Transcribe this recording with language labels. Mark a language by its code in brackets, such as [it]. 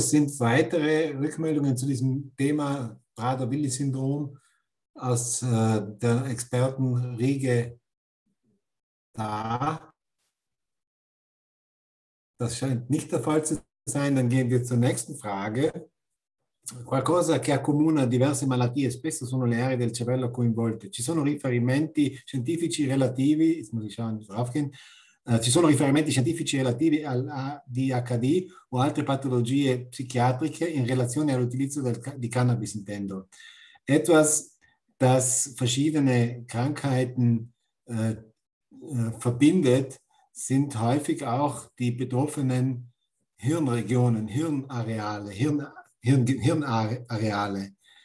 [de] Sind weitere Rückmeldungen zu diesem Thema Prader-Willi-Syndrom aus der Expertenriege da? Das scheint nicht der Fall zu sein. Dann gehen wir zur nächsten Frage. [it] Qualcosa che accomuna diverse malattie spesso sono le aree del cervello coinvolte. Ci sono riferimenti scientifici relativi, [de] jetzt muss ich schauen, draufgehen. [it] Ci sono riferimenti scientifici relativi al ADHD o altre patologie psichiatriche in relazione all'utilizzo di cannabis, intendo. [de] Etwas, das verschiedene Krankheiten verbindet, sind häufig auch die betroffenen Hirnregionen, Hirnareale, Hirnareale.